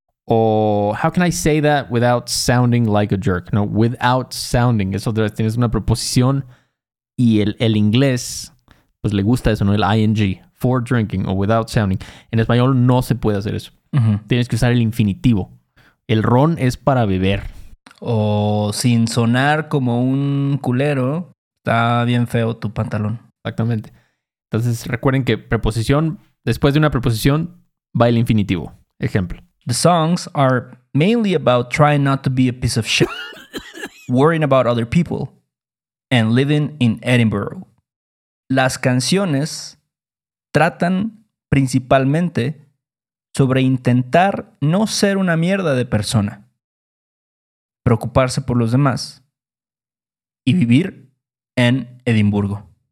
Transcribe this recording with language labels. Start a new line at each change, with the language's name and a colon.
English: Oh, how can I say that without sounding like a jerk? No, without sounding.
Spanish: Eso otra vez, tienes una preposición y el inglés, pues le gusta eso, ¿no? El ing,
English: for drinking
Spanish: o
English: without sounding.
Spanish: En español no se puede hacer eso. Uh-huh. Tienes que usar el infinitivo. El ron es para beber. O sin sonar como un culero, está bien feo tu pantalón. Exactamente. Entonces recuerden que preposición, después de una preposición, va el infinitivo. Ejemplo.
English: The songs are mainly about trying not to be a piece of shit, worrying about other people, and living in Edinburgh.
Spanish: Las canciones tratan principalmente sobre intentar no ser una mierda de persona, preocuparse por los demás, y vivir en Edimburgo.